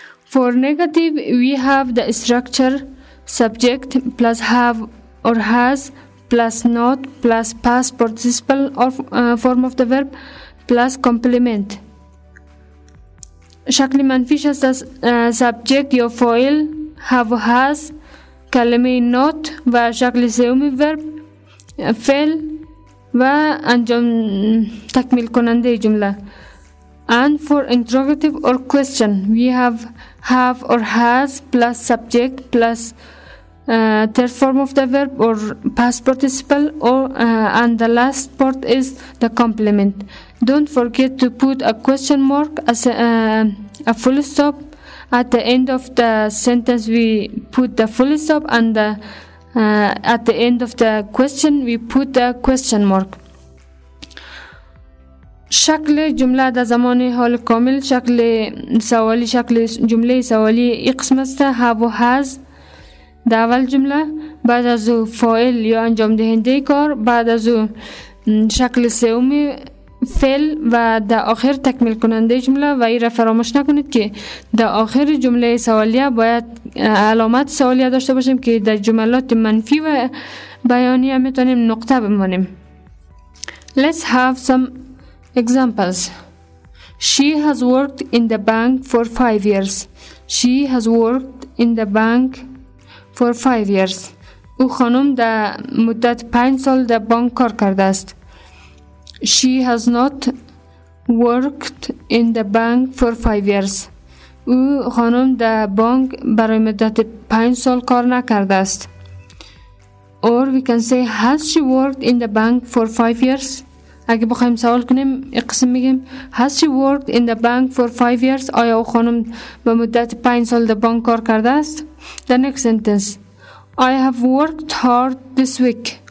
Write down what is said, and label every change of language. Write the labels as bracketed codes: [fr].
[en] For negative we have the structure subject plus have or has plus not plus past participle or form of the verb plus complement. [fa] شکل منفیش است از subject یا فاعل have or has کلمه not و شکل سومی ورب فعل و انجام تکمیل کننده جمله. [en] And for interrogative or question we have or has plus subject plus third form of the verb or past participle or and the last part is the complement. Don't forget to put a question mark as a full stop at the end of the sentence. We put the full stop and the at the end of the question we put the question mark. [fa] شکل جمله در زمان حال کامل، شکل سوالی، شکل جمله سوالی این قسم است: have or has در اول جمله، بعد از او فاعل یا انجام دهنده کار، بعد از او شکل سوم فعل و در آخر تکمیل کننده جمله و این را فراموش نکنید که در آخر جمله سوالیه باید علامت سوالیه داشته باشیم که در جملات منفی و بیانیه میتونیم نقطه بمانیم. [en] Let's have some examples. She has worked in the bank for 5 years. She has worked in the bank for 5 years. [fa] او خانم در مدت 5 سال در بانک کار کرده است. [en] She has not worked in the bank for 5 years. [fa] او خانم در بانک برای مدت 5 سال کار نکرده است. [en] Or we can say, has she worked in the bank for 5 years? [fa] اگه بخوایم سوال کنیم این قسم میگیم Has she worked in the bank for 5 years? آیا او خانم به مدت 5 سال در بانک کار کرده است؟ The next sentence I have worked hard this week.